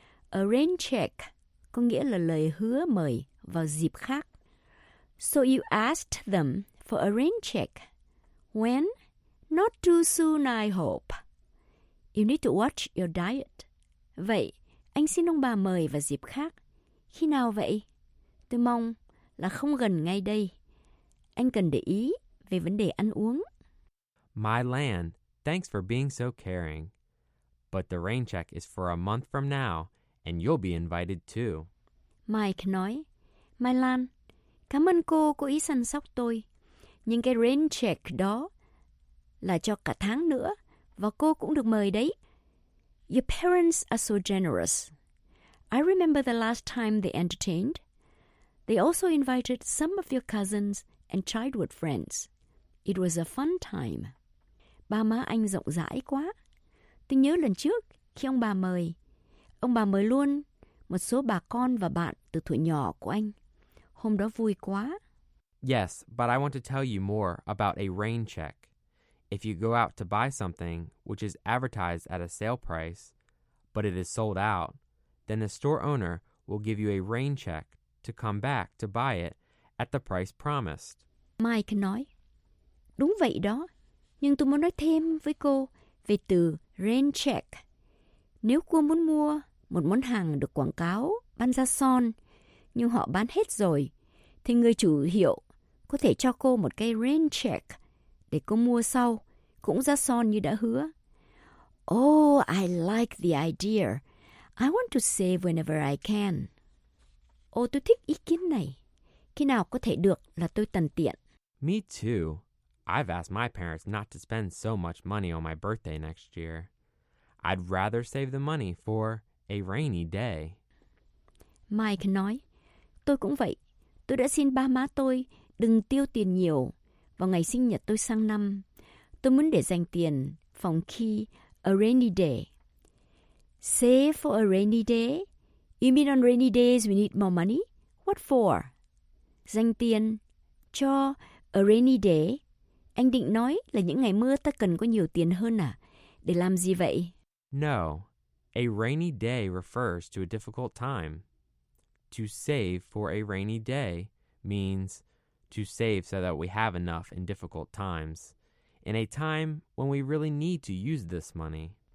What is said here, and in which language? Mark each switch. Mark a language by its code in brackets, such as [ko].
[vi] A rain check có nghĩa là lời hứa mời vào dịp khác. [en] So you asked them for a rain check. When? Not too soon, I hope. You need to watch your diet. [vi] Vậy, anh xin ông bà mời vào dịp khác. Khi nào vậy? Tôi mong là không gần ngay đây. Anh cần để ý về vấn đề ăn uống. [en] My land, thanks for being so caring. But the rain check is for a month from now, and you'll be invited too. [vi] Mike nói, My Lan, cảm ơn cô có ý săn sóc tôi. Nhưng cái rain check đó là cho cả tháng nữa, và cô cũng được mời đấy. [en] Your parents are so generous. I remember the last time they entertained. They also invited some of your cousins and childhood friends. It was a fun time. [vi] Ba má anh rộng rãi quá. Tôi nhớ lần trước khi ông bà mời luôn một số bà con và bạn từ tuổi nhỏ của anh. Hôm đó vui quá. [en] Yes, but I want to tell you more about a rain check. If you go out to buy something, which is advertised at a sale price, but it is sold out, then the store owner will give you a rain check to come back to buy it at the price promised. [vi] Mike nói, đúng vậy đó, nhưng tôi muốn nói thêm với cô về từ rain check. Nếu cô muốn mua một món hàng được quảng cáo bán ra son, nhưng họ bán hết rồi, thì người chủ hiệu có thể cho cô một cái rain check để cô mua sau, cũng ra son như đã hứa. [en] Oh, I like the idea. I want to save whenever I can. [vi] Oh, tôi thích ý kiến này. Khi nào có thể được là tôi tận tiện. [en] Me too. I've asked my parents not to spend so much money on my birthday next year. I'd rather save the money for a rainy day. [vi] Mike nói, tôi cũng vậy. Tôi đã xin ba má tôi đừng tiêu tiền nhiều vào ngày sinh nhật tôi sang năm. Tôi muốn để dành tiền phòng khi a rainy day. [en] Save for a rainy day? You mean on rainy days we need more money? What for? [vi] Dành tiền cho [en] a rainy day. [vi] Anh định nói là những ngày mưa ta cần có nhiều tiền hơn à? Để làm gì vậy? [en] No. A rainy day refers to a difficult time. To save for a rainy day means to save so that we have enough in difficult times, in a time when we really need to use this money.